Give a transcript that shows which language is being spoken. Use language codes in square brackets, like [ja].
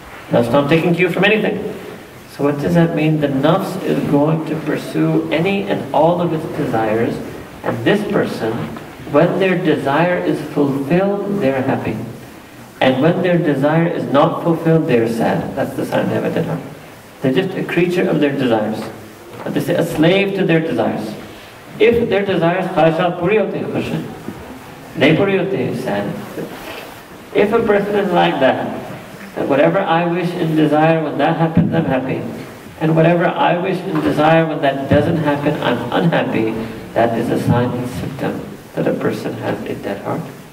[en] Nafs not taking cue from anything. So what does that mean? The nafs is going to pursue any and all of its desires. And this person, when their desire is fulfilled, they're happy. And when their desire is not fulfilled, they're sad. That's the sign they have a dead heart. They're just a creature of their desires. But they say a slave to their desires. If their desires، [ur] خواہشات پوری ہوتی ہے خوش ہے۔ نہیں پوری ہوتی ہے، sad. [en] If a person is like that, that whatever I wish and desire, when that happens, I'm happy. And whatever I wish and desire, when that doesn't happen, I'm unhappy. That is a sign and symptom that a person has a dead heart.